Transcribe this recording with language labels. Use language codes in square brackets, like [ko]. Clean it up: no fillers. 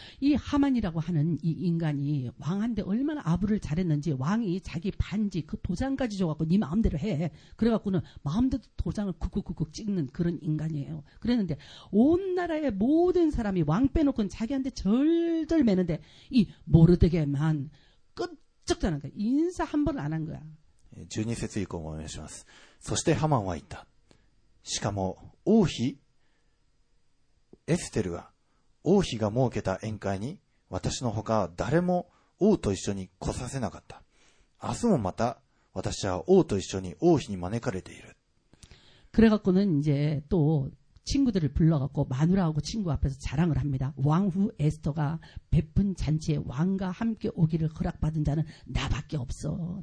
[ko] 이 하만이라고 하는 이 인간이 왕한테 얼마나 아부를 잘했는지, 왕이 자기 반지 그 도장까지 줘갖고 네 마음대로 해 그래갖고는 마음대로 도장을 쿡쿡쿡쿡 찍는 그런 인간이에요. 그랬는데 온 나라의 모든 사람이 왕 빼놓고는 자기한테 절절 매는데 이 모르드개만 끄쩍도 안 한 거야. 인사 한 번 안 한 거야. [ja] 12節 이후에 お願いします.そしてハマンは言った.しかも王妃エステルは王妃が設けた宴会に私の他誰も王と一緒に来させなかった. 明日もまた私は王と一緒に王妃に招かれている. [ko] 그래갖고는 이제 또 친구들을 불러갖고 마누라하고 친구 앞에서 자랑을 합니다. 왕후 에스터가 베푼 잔치에 왕과 함께 오기를 허락받은 자는 나밖에 없어.